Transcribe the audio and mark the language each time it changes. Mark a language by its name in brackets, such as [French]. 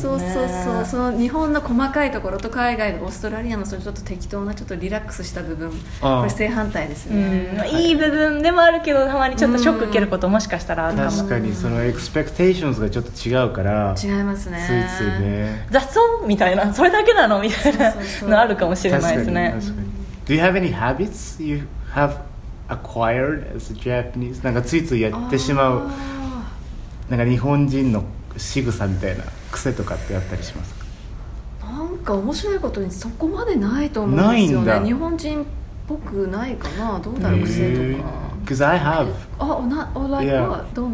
[Japanese] そう、その日本の細かいところと海外のオーストラリアのそのちょっと適当なちょっとリラックスした部分、これ正反対ですね。いい部分でもあるけど、たまにちょっとショック受けることもしかしたらあるかも。確かにそのエクスペクテーションズがちょっと違うから。違いますね。ついついね。雑草みたいな、それだけなのみたいなのあるかもしれないですね。 [English] Do you have any habits you have acquired as a Japanese? [Japanese] なんかついついやってしまう、なんか日本人の仕草みたいな癖とかってあったりしますか？なんか面白いことにそこまでないと思うんですよね。日本人っぽくないかな、どうだろう、癖とか。 [English] Because I have